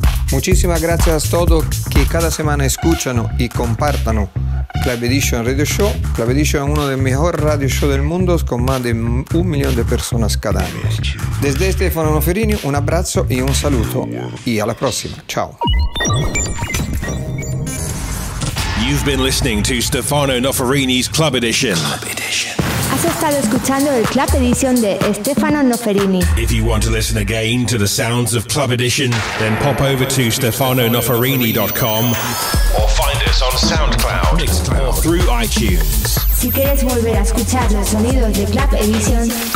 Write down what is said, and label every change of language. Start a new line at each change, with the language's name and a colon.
Spanish: Muchísimas gracias a todos que cada semana escuchan y compartan Club Edition Radio Show. Club Edition es uno de los mejores radio shows del mundo, con más de 1 millón de personas cada año. Desde Stefano Noferini, un abrazo y un saludo. Y a la próxima. Chao.
English: You've been listening to Stefano Noferini's Club Edition. Club
Spanish: Edition. Has estado escuchando el Club Edition de Stefano Noferini.
English: If you want to listen again to the sounds of Club Edition, then pop over to stefanonoferini.com. On SoundCloud, Mixcloud, or through iTunes.
Spanish: Si quieres volver a escuchar los sonidos de Club Edition,